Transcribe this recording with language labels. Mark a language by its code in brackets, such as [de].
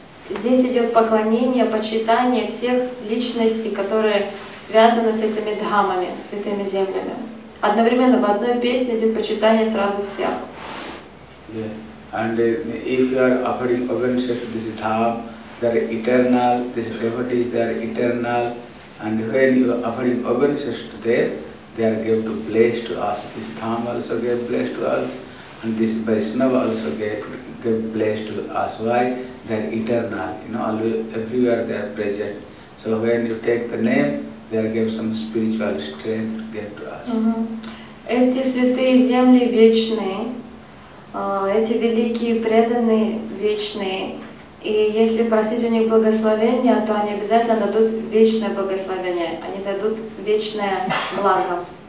[ru] Здесь идет поклонение, почитание всех личностей, которые связаны с этими дхамами, святыми землями. Одновременно в одной песне идет почитание сразу всех. [en] Yeah. And if you are offering obeisance to this dhamma, their eternal, this devotee is their eternal, and when you are offering obeisances to them, they are given to place to us. This Dham also gave place to us, and this Vaishnava also gave place to us. Why? They are eternal, you know, always, everywhere they are present. So when you take the name, they are given some spiritual strength to give to us. [ru] Эти святые земли вечные, эти великие преданные вечные, и если просить у них благословения, то они обязательно дадут вечное благословение, они дадут вечное благо.